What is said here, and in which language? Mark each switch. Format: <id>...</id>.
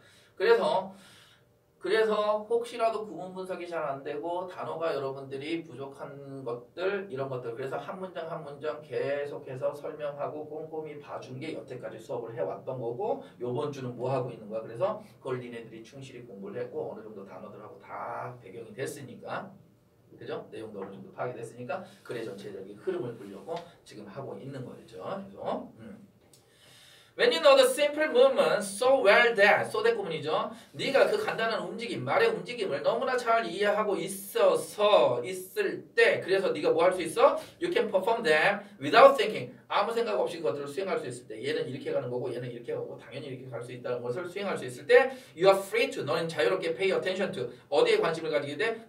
<ko>그래서 혹시라도 구문 분석이 잘 안 되고 단어가 여러분들이 부족한 것들 이런 것들 그래서 한 문장 계속해서 설명하고 꼼꼼히 봐준 게 여태까지 수업을 해왔던 거고 요번 주는 뭐 하고 있는 거야 그래서 그걸 니네들이 충실히 공부를 했고 어느 정도 단어들하고 다 배경이 됐으니까 그죠? 내용도 어느 정도 파악이 됐으니까 글의 전체적인 흐름을 보려고 지금 하고 있는 거죠.</ko> <en>When you know the simple movement so well that, so that</en> <ko>구문이죠. 네가 그 간단한 움직임, 말의 움직임을 너무나 잘 이해하고 있어서, 있을 때, 그래서 네가 뭐 할 수 있어?</ko> <en>You can perform them without thinking.</en> <ko>아무 생각 없이 그것들을 수행할 수 있을 때, 얘는 이렇게 가는 거고, 얘는 이렇게 가고, 당연히 이렇게 갈 수 있다는 것을 수행할 수 있을 때,</ko> <en>you are free to,</en> <ko>너는 자유롭게</ko> <en>pay attention to,</en> <ko>어디에 관심을 가지게 돼?</ko>